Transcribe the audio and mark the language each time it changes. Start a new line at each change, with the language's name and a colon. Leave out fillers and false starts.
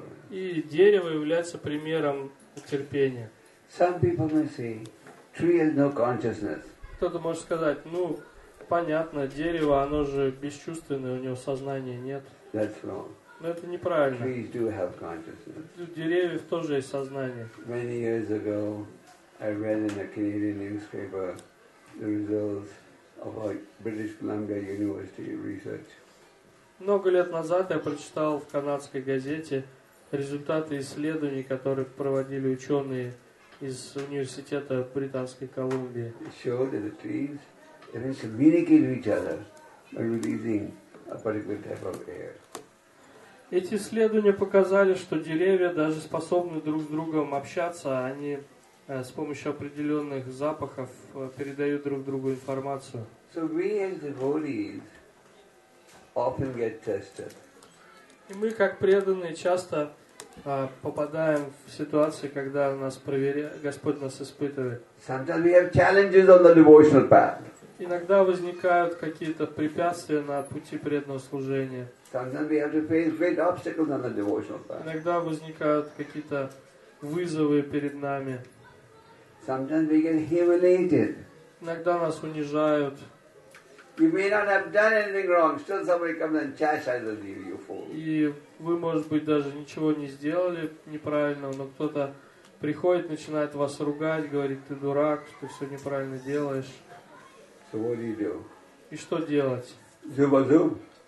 Russian: И дерево является примером терпения.
English: Some people may say, tree has no consciousness.
Russian: Кто-то может сказать, ну, понятно, дерево, оно же бесчувственное, у него сознания нет.
English: That's wrong.
Russian: Но это неправильно.
English: Trees do have consciousness.
Russian: У деревьев тоже есть сознание.
English: Many years ago, I read in a Canadian newspaper the results of a British Columbia University research.
Russian: Много лет назад я прочитал в канадской газете результаты исследований, которые проводили ученые из университета Британской Колумбии.
English: It showed that the trees even communicate with each other by releasing a particular type of air.
Russian: Эти исследования показали, что деревья даже способны друг с другом общаться, они с помощью определенных запахов передают друг другу информацию.
English: So we as devotees often get tested.
Russian: И мы, как преданные, часто попадаем в ситуации, когда нас проверяет, Господь нас испытывает.
English: Sometimes we have challenges on the devotional path.
Russian: Иногда возникают какие-то препятствия на пути преданного служения.
English: Sometimes we have to face great obstacles on the devotional path.
Russian: Иногда возникают какие-то вызовы перед нами.
English: Sometimes we get humiliated.
Russian: Иногда нас унижают.
English: You may not have done anything wrong. Still somebody comes and chastises you for it.
Russian: И вы, может быть, даже ничего не сделали неправильного, но кто-то приходит, начинает вас ругать, говорит, ты дурак, ты все неправильно делаешь.
English: So what do you do?
Russian: И что делать? Зуб за зуб.